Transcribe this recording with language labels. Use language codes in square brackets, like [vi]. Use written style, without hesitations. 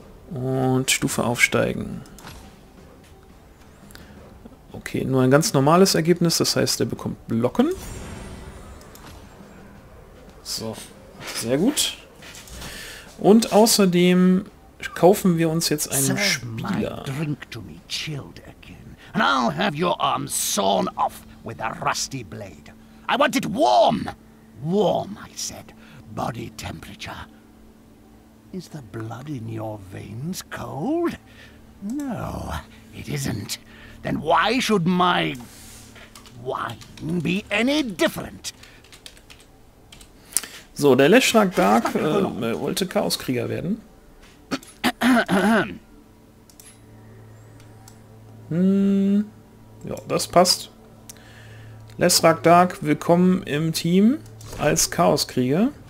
[de] Und Stufe aufsteigen. Okay, nur ein ganz normales Ergebnis. Das heißt, er bekommt Blocken. So, sehr gut. Und außerdem kaufen wir uns jetzt einen Spieler. [en] My drink to me chilled again. And I'll have your arm sawn off with a rusty blade. I want it warm. Warm, I said. Body temperature. Is the blood in your veins cold? No, it isn't. Then why should my wine be any different? [de] So, der Leschrak Dark wollte Chaoskrieger werden. Ja, das passt. Lesrak Dark, willkommen im Team als Chaoskrieger.